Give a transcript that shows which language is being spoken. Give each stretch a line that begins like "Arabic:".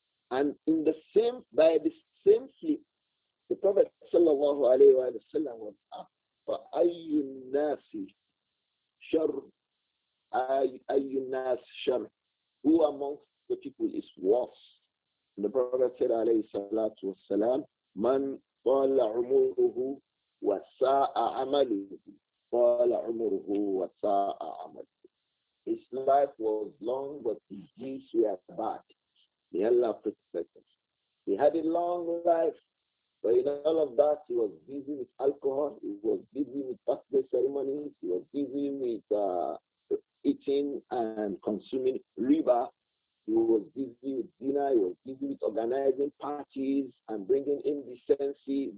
English: And in the same, by the same flip, the Prophet sallallahu alayhi wa sallam was asked,
Arabic: فَأَيُّ النَّاسِ شَرٌ أَيُّ النَّاسِ شَرٌ,
English: who amongst the people is worse? The Prophet said,
Arabic: عليه الصلاة والسلام, مَنْ طَالَ عُمُرُهُ وَسَاءَ عَمَلُهُ, طَالَ عُمُرُهُ وَسَاءَ عَمَلُهُ.
English: His life was long, but his deeds were bad. May Allah protect him. He had a long life. But in all of that, he was busy with alcohol, he was busy with birthday ceremonies, he was busy with eating and consuming riba, he was busy with dinner, he was busy with organizing parties and bringing in decency.